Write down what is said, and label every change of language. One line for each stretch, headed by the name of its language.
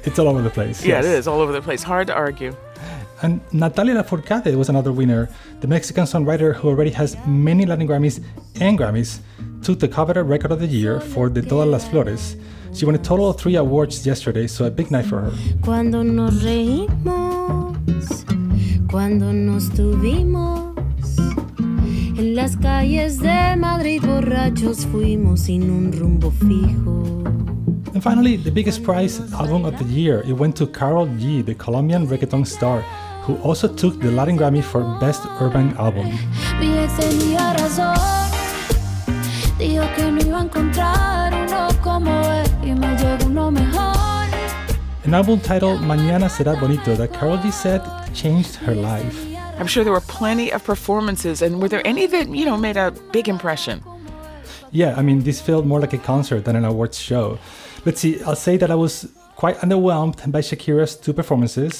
English: It's all over the place. Yeah, yes. It is all over the place. Hard to argue. And Natalia Lafourcade was another winner. The Mexican songwriter who already has many Latin Grammys and Grammys took the coveted Record of the Year for De Todas Las Flores. She won a total of 3 awards yesterday, so a big night for her.
Spanish: Cuando nos reímos, cuando nos tuvimos, en las calles de Madrid borrachos fuimos sin un rumbo fijo.
English: And finally, the biggest prize album of the year, it went to Karol G, the Colombian reggaeton star, who also took the Latin Grammy for Best Urban Album.
Spanish: Mi ex tenía razón, dijo que no iba a encontrar uno como él.
English: An album titled Mañana Será Bonito that Karol G said changed her life. I'm sure there were plenty of performances, and were there any that, you know, made a big impression? Yeah, I mean, this felt more like a concert than an awards show. Let's see, I'll say that I was quite underwhelmed by Shakira's 2 performances.